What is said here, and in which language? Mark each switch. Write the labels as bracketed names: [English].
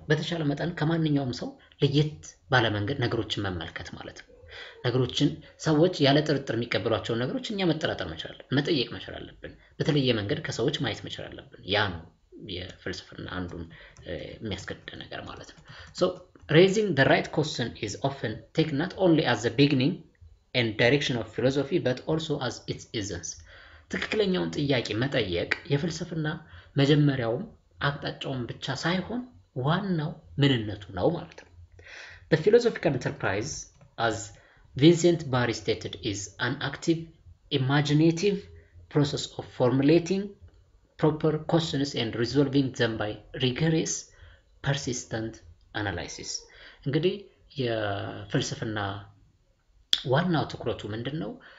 [Amharic] በተቻለ መጠን ከማንኛውም ሰው ለየት ባለ መንገድ ነገሮችን መመልከት ማለት ነው። ነገሮችን ሰዎች ያለ ጥርጥር የሚቀበሏቸው ነገሮች እኛ መጠራጠር መቻል መጠየቅ መቻል አለብን። በተለየ መንገድ ከሰዎች ማየት መቻል አለብን። ያ ነው የፍልስፍና አንዱን የሚያስገድድ ነገር ማለት ነው። [English] So raising the right question is often taken not only as the beginning and direction of philosophy but also as its essence. [Amharic] ትክክለኛውን ጥያቄ መጠየቅ የፍልስፍና መጀመሪያው አቅጣጫው ብቻ ሳይሆን ዋናው ምንነቱ ነው ማለት ነው። [English] The philosophical enterprise, as Vincent Barry stated, is an active imaginative process of formulating proper questions and resolving them by rigorous persistent analysis. [Amharic] እንግዲህ የፍልስፍና ዋናው ትኩረቱ ምንድነው?